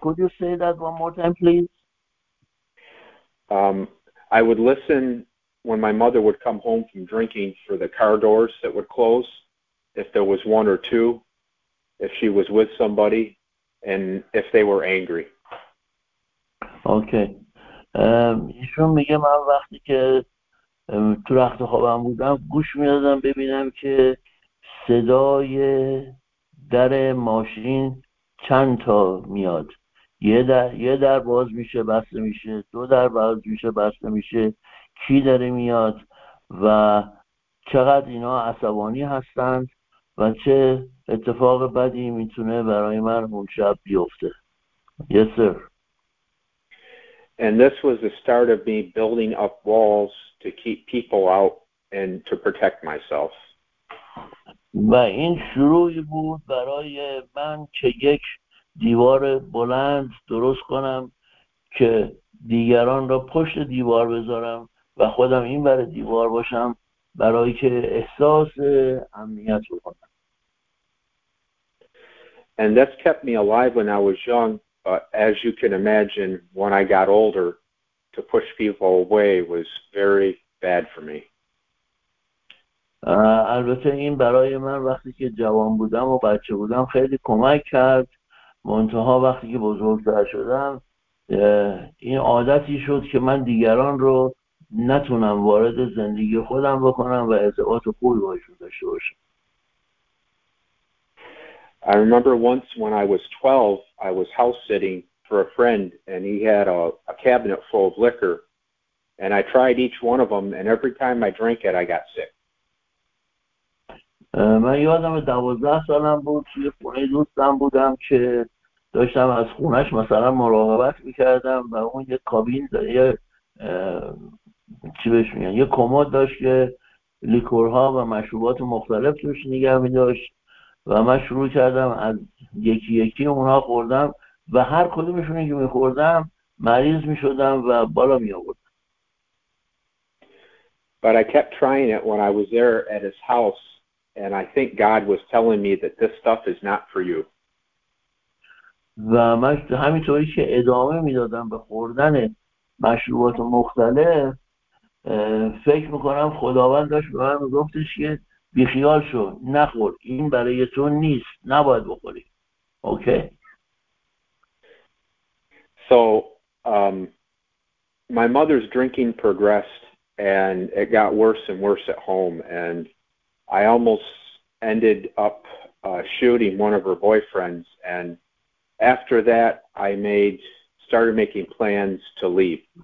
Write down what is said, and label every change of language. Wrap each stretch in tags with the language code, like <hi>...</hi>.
<en>Could you say that one more time, please? I would listen when my mother would come home from drinking for the car doors that would close, if there was one or two, if she was with somebody, and if they were angry. Okay.</en> <fa>ایشون میگه من وقتی که تو رخت خوابم بودم گوش میدادم ببینم که صدای در ماشین چند تا میاد. یه در باز میشه بسته میشه، دو در باز میشه بسته میشه، کی داره میاد و چقدر اینا عصبانی هستند و چه اتفاق بدی میتونه برای من اون شب بیفته.</fa> <en>Yes, sir. And this was the start of me building up walls to keep people out and to protect myself.</en> <fa>و این شروعی بود برای من که یک دیوار بلند درست کنم که دیگران را پشت دیوار بذارم و خودم این بره دیوار باشم برای که احساس امنیت بکنم.</fa> <en>And that's kept me alive when I was young, but as you can imagine, when I got older, to push people away was very bad for me.</en> <fa>البته این برای من وقتی که جوان بودم و بچه بودم خیلی کمک کرد، منتها وقتی که بزرگتر شدم این عادتی شد که من دیگران رو نتونم وارد زندگی خودم بکنم و ارتباط خوبی باشون داشته باشم.</fa> <en>I remember once when I was 12, I was house sitting for a friend and he had a cabinet full of liquor and I tried each one of them and every time I drank it I got sick.</en> <fa>من یادم 12 سالم بود توی خونه دوستم بودم که داشتم از خونش مثلا مراقبت میکردم و اون یه کابین داره چی بهش میگن یه کمد داشت که لیکورها و مشروبات مختلف توش نگه می‌داشت و من شروع کردم از یکی یکی اونها خوردم و هر کدومشونی که می‌خوردم مریض می‌شدم و بالا می‌آوردم.</fa> <en>But I kept trying it when I was there at his house and I think God was telling me that this stuff is not for you.</en> <fa>و من همینطوری که ادامه می‌دادم به خوردن مشروبات مختلف فکر میکنم خداوند داشت به من گفتش که بیخیال شو، نخور، این برای تو نیست، نباید بخوری. اوکی؟</fa> <en>So my mother's drinking progressed and it got worse and worse at home and I almost ended up shooting one of her boyfriends and after that I started making plans to leave.</en>